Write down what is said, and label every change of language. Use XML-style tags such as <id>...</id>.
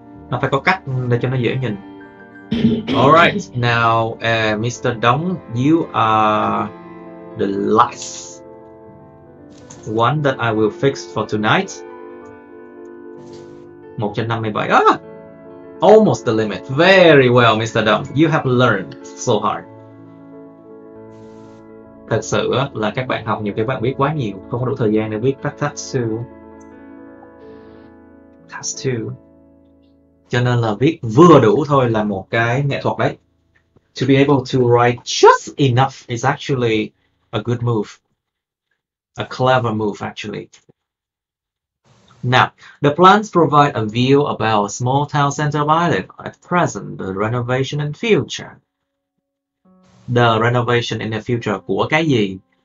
<vi>Nó phải có cách để cho nó dễ nhìn.</vi> <en>Alright, now Mr. Dong, you are the last one that I will fix for tonight. 1/57. Ah! Almost the limit. Very well, Mr. Dong. You have learned so hard.</en> <vi>Thật sự là các bạn học nhiều, các bạn biết quá nhiều, không có đủ thời gian để viết các task 2. Task 2. Cho nên là viết vừa đủ thôi là một cái nghệ thuật đấy.</vi> <en>To be able to write just enough is actually a good move. A clever move, actually. Now, the plans provide a view about a small town center of Ireland at present, the renovation and future. The renovation in the future</en> <vi>của cái gì?</vi>